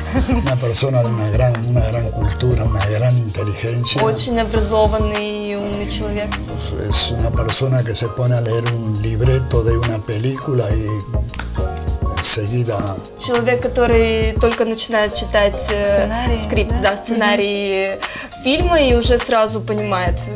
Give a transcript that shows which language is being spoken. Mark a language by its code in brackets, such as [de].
[es] Una persona de una gran cultura, una gran inteligencia. [ru] Очень образованный и умный человек. [es] Es una persona que se pone a leer un libreto de una película y... Seguida. [ru] Человек, который только начинает читать сценарий, скрипт, да, сценарий фильма и уже сразу понимает,